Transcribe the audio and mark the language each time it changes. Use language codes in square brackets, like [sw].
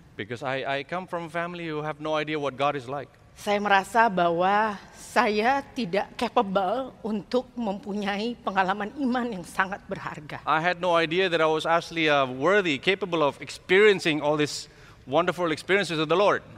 [en] Because I come from a family who have no idea what God is like. [id] Saya merasa bahwa saya tidak capable untuk mempunyai pengalaman iman yang sangat berharga. [en] I had no idea that I was actually worthy, capable of experiencing all these wonderful experiences of the Lord.